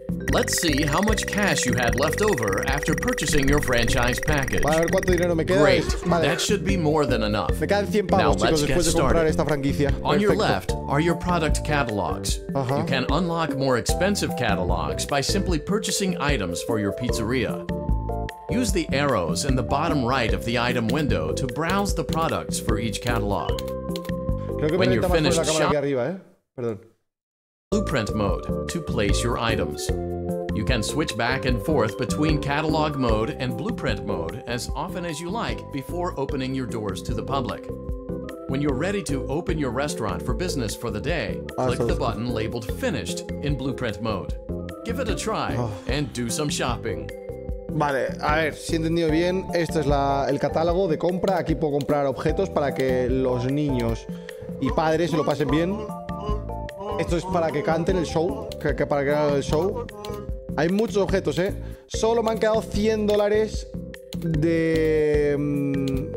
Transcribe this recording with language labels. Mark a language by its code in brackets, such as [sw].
[en] Let's see how much cash you had left over after purchasing your franchise package. [es] Vale, a ver cuánto dinero me queda. [en] Great. [es] Vale. [en] That should be more than enough. [es] Me quedan 100 pavos, chicos, después de comprar esta franquicia. [en] On your left are your product catalogs. You can unlock more expensive catalogs by simply purchasing items for your pizzeria. Use the arrows in the bottom right of the item window to browse the products for each catalog. When you're finished shopping. Perdón. Blueprint mode to place your items. You can switch back and forth between catalog mode and blueprint mode as often as you like before opening your doors to the public. When you're ready to open your restaurant for business for the day, click the button labeled finished in blueprint mode. Give it a try and do some shopping. [es] Vale, a ver, si he entendido bien, esto es el catálogo de compra. Aquí puedo comprar objetos para que los niños y padres se lo pasen bien. Esto es para que canten el show, que para que hagan el show. Hay muchos objetos, ¿eh? Solo me han quedado 100 dólares de...